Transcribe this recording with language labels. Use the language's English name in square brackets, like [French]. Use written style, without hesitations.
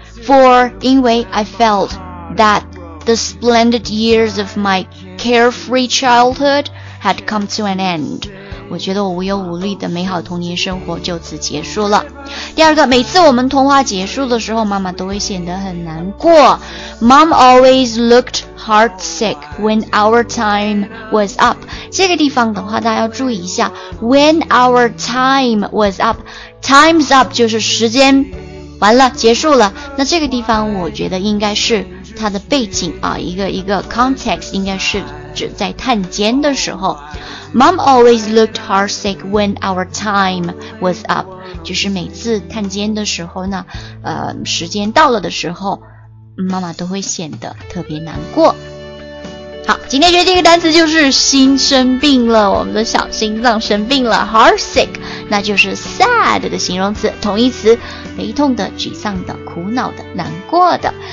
[English] For, [Chinese] 因为 [English] I felt that the splendid years of my carefree childhood had come to an end. [Chinese] 我觉得我无忧无虑的美好童年生活就此结束了。第二个，每次我们通话结束的时候，妈妈都会显得很难过。 [English] Mom always looked heartsick when our time was up. [Chinese] 这个地方的话，大家要注意一下。 [English] When our time was up, time's up [Chinese] 就是时间完了，结束了。那这个地方我觉得应该是它的背景啊，一个 context 应该是指在探监的时候。 [English] Mom always looked heartsick when our time was up. [Chinese] 就是每次探监的时候呢，时间到了的时候，妈妈都会显得特别难过。好，今天学这个单词就是心生病了，我们的小心脏生病了， heartsick, 那就是 sad 的形容词，同义词，悲痛的，沮丧的，苦恼的，难过的。